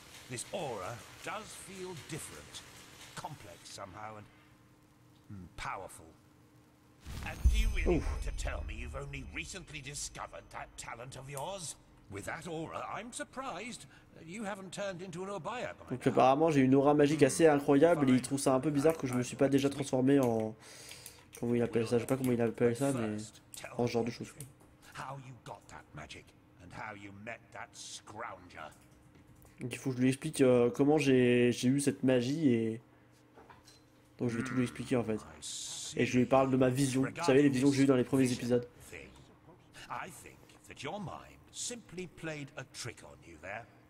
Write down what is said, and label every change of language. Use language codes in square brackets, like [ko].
[en] This aura does feel different. Complex somehow and powerful. And do you really want to tell me you've only recently discovered that talent of yours? With that aura, I'm surprised that you haven't turned into an Obaya by [fr] Donc apparemment j'ai une aura magique assez incroyable et il trouve ça un peu bizarre que je me suis pas déjà transformé en. Comment il appelle ça? Je sais pas comment il appelle ça, mais. En genre de choses. [en] How you got that magic? How you met that scrounger. [fr] Donc il faut que je lui explique comment j'ai eu cette magie et donc je vais tout lui expliquer en fait. Et je lui parle de ma vision, vous savez les visions que j'ai eu dans les premiers épisodes. [en] I think that your mind simply played a trick on you there.